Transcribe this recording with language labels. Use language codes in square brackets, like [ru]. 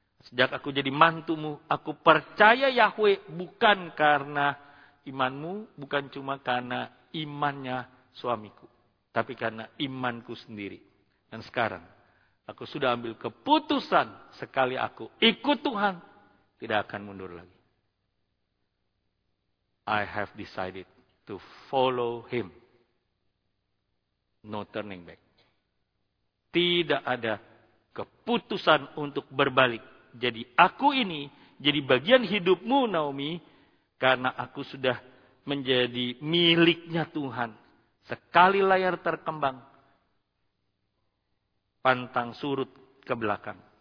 [id] Sejak aku jadi mantumu, aku percaya Yahweh bukan karena imanmu, bukan cuma karena imannya suamiku, tapi karena imanku sendiri. Dan sekarang, aku sudah ambil keputusan sekali aku ikut Tuhan, tidak akan mundur lagi. [en] I have decided to follow him. No turning back. [id] Tidak ada keputusan untuk berbalik. Jadi aku ini jadi bagian hidupmu, Naomi, karena aku sudah menjadi miliknya Tuhan. Sekali layar terkembang, pantang surut ke belakang.